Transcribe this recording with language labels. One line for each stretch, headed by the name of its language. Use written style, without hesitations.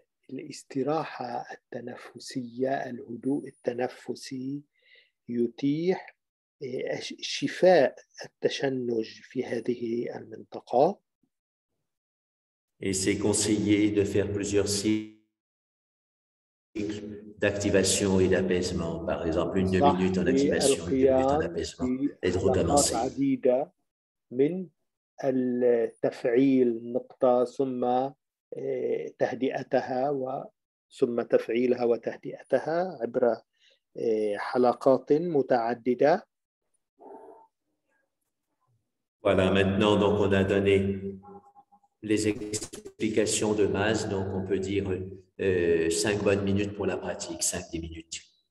Arabic: والاستراحة التنفسية الهدوء التنفسي يتيح شفاء التشنج في هذه المنطقة.
French: Et c'est conseillé de faire plusieurs cycles d'activation et d'apaisement. Par exemple, une demi-minute en activation, une demi-minute en apaisement, et de recommencer.
Arabic: من التفعيل نقطة ثم تهدئتها ثم تفعيلها وتهدئتها عبر حلقات متعددة.
French: Voilà, maintenant donc on a donné les explications de base, donc on peut dire 5 bonnes minutes pour la pratique, 5-10 minutes.